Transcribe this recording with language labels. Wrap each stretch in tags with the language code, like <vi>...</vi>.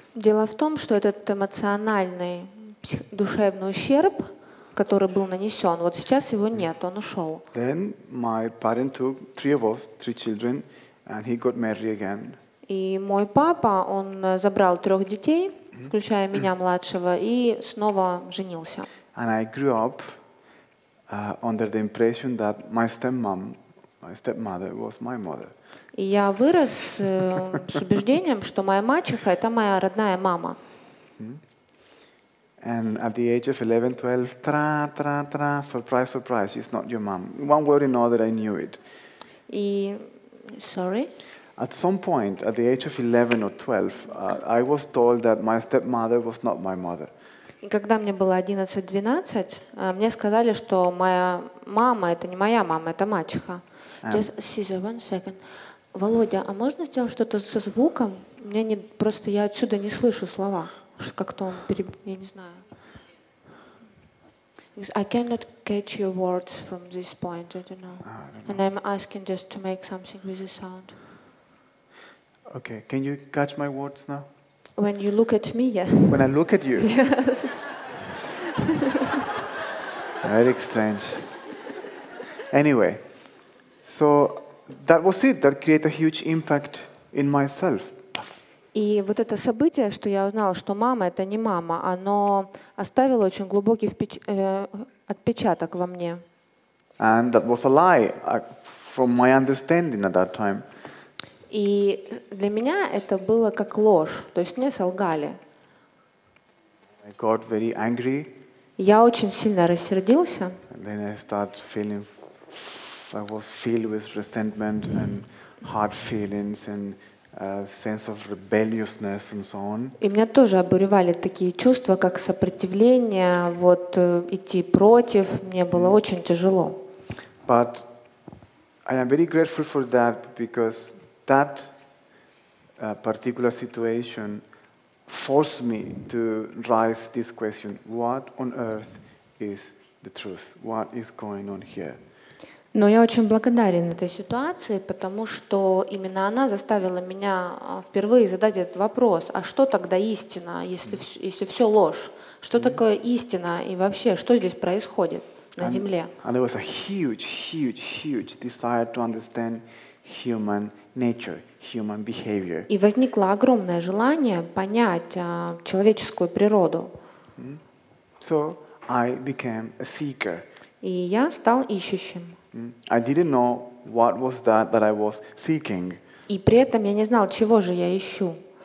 <ru>Дело в том, что этот эмоциональный душевный ущерб, который был нанесен, вот сейчас его нет, он ушел.</ru> <en>Then my parent took three of us, three children, and he got married again.</en> <ru>И мой папа, он забрал трех детей, включая меня младшего, и снова женился.</ru> <en>And I grew up under the impression that my stepmother was my mother.</en> <ru>И я вырос с убеждением, что моя мачеха — это моя родная мама.</ru> <en>And at the age of 11-12, tra-tra-tra, surprise, she's not your mom. One way or another, I knew it. И, sorry? At some point, at the age of 11 or 12, I was told that my stepmother was not my mother.</en> <ru>И когда мне было 11-12, мне сказали, что моя мама — это не моя мама, это мачеха.</ru> <en>Just Caesar, one second.</en> <ru>Володя, а можно сделать что-то со звуком? Мне не просто я отсюда не слышу слова. Как-то он я не знаю.</ru> <en>I cannot catch your words from this point. I don't know. And I'm asking just to make something with the sound. Okay, can you catch my words now? When you look at me, yes. When I look at you. Yes. Very strange. Anyway, so that was it. That created a huge impact in myself.</en> <ru>И вот это событие, что я узнала, что мама — это не мама, оно оставило очень глубокий отпечаток во мне.</ru> <en>And that was a lie, from my understanding at that time.</en> <ru>И для меня это было как ложь, то есть мне солгали.</ru> <en>I got very angry.</en> <ru>Я очень сильно рассердился.</ru> <en>And then I start feeling. I was filled with resentment and hard feelings and a sense of rebelliousness and so on.</en> <ru>И меня тоже обуревали такие чувства, как сопротивление, вот идти против. Мне было очень тяжело.</ru> <en>But I am very grateful for that because that particular situation forced me to raise this question: what on earth is the truth? What is going on here?</en> <ru>Но я очень благодарен этой ситуации, потому что именно она заставила меня впервые задать этот вопрос: а что тогда истина, если все ложь? Что такое истина и вообще, что здесь происходит на Земле?</ru> <en>And there was a huge desire to understand human nature, human behavior.</en> <ru>И возникло огромное желание понять человеческую природу.</ru> <en>So I became a seeker.</en> <ru>И я стал ищущим.</ru> <en>I didn't know what was that I was seeking.</en> <ru>И при этом я не знал, чего же я ищу.</ru>